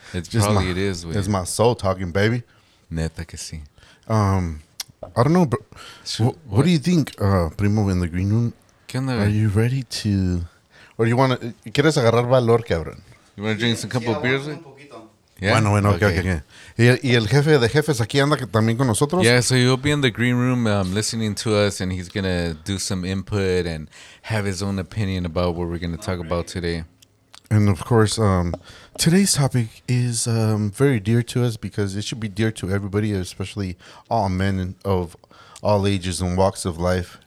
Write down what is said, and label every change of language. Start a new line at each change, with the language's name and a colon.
English: It's just probably it is. It's my soul talking, baby.
Spanish: Neta que sí.
English: I don't know, bro. What do you think, Primo, in the green room? Are you ready to... Or you want to...
Spanish: ¿Quieres agarrar valor, cabrón?
English: You want to drink a couple of beers? Yeah. Bueno, okay.
Spanish: Y el jefe de jefes aquí anda que también con nosotros.
English: Yeah, so he'll be in the green room listening to us, and he's going to do some input and have his own opinion about what we're going to talk about today. And, of course, today's topic is very dear to us because it should be dear to everybody, especially all men of all ages and walks of life.